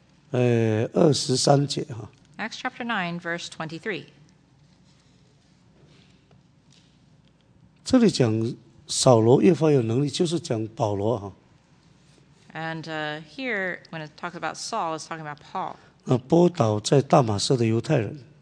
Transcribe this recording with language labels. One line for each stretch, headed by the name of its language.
Chinese: 第9章，我们来看那个，23节哈。
English: Acts chapter 9, verse 23.
Chinese: 这里讲扫罗越发有能力，就是讲保罗哈。
English: And here, when it talks about Saul, it's talking about Paul.
Chinese: 波导在大马色的犹太人。